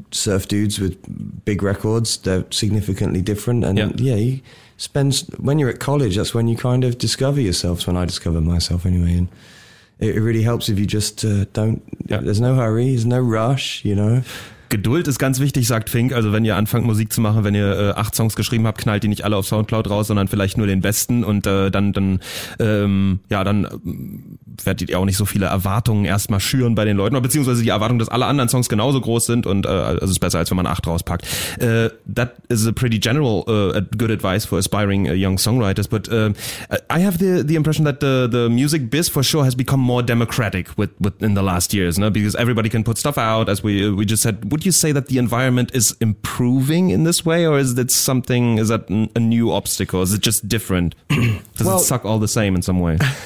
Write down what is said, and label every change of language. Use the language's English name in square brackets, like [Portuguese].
[English] surf dudes with big records, they're significantly different. And when you're at college, that's when you kind of discover yourself. It's when I discover myself anyway. And it really helps if you just there's no hurry, there's no rush, you know. [German] Geduld ist ganz wichtig, sagt Fink. Also wenn ihr anfangt, Musik zu machen, wenn ihr 8 Songs geschrieben habt, knallt die nicht alle auf Soundcloud raus, sondern vielleicht nur den besten. Und dann werdet ihr auch nicht so viele Erwartungen erstmal schüren bei den Leuten. Beziehungsweise die Erwartung, dass alle anderen Songs genauso groß sind. Und es ist besser, als wenn man 8 rauspackt. [English] That is a pretty general good advice for aspiring young songwriters. But I have the impression that the music biz for sure has become more democratic in the last years. No? Because everybody can put stuff out, as we just said. Would you say that the environment is improving in this way, or is that something? Is that a new obstacle? Is it just different? Does it suck all the same in some way?